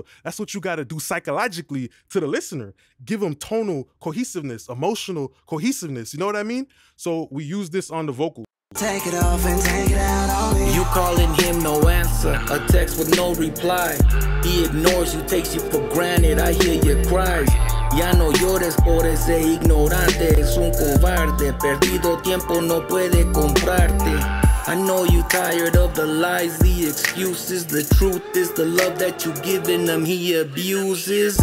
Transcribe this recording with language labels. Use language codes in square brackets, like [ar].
[en] So that's what you got to do psychologically to the listener. Give them tonal cohesiveness, emotional cohesiveness. You know what I mean? So we use this on the vocal. Take it off and take it out on me. You calling him, no answer. A text with no reply. He ignores you, takes you for granted. I hear your cries. [es] Ya no llores por ese ignorante. Es un cobarde. Perdido tiempo no puede comprarte. [en] I know you tired of the lies, the excuses. The truth is the love that you giving him he abuses.